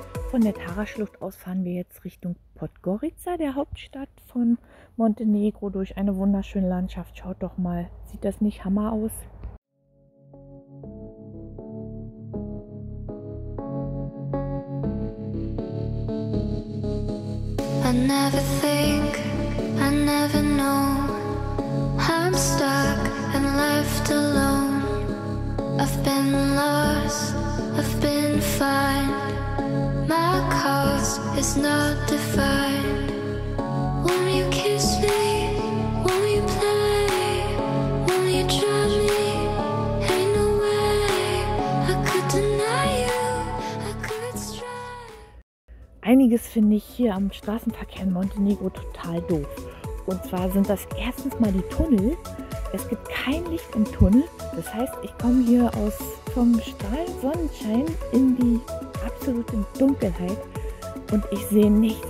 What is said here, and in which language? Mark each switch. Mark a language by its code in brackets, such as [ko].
[de] Von der Tara-Schlucht aus fahren wir jetzt Richtung Podgorica, der Hauptstadt von Montenegro, durch eine wunderschöne Landschaft. Schaut doch mal, sieht das nicht Hammer aus? [en] I never think, I never know. I'm stuck and left alone. I've been lost, I've been fine. My cause is not defined. Won't you kiss me? Won't you play? Won't you drown me? Ain't no way I could deny you. I could strive. [de] Einiges finde ich hier am Straßenverkehr in Montenegro total doof. Und zwar sind das erstens mal die Tunnel. Es gibt kein Licht im Tunnel. Das heißt, ich komme hier aus vom strahlenden Sonnenschein in die absolute Dunkelheit und ich sehe nichts.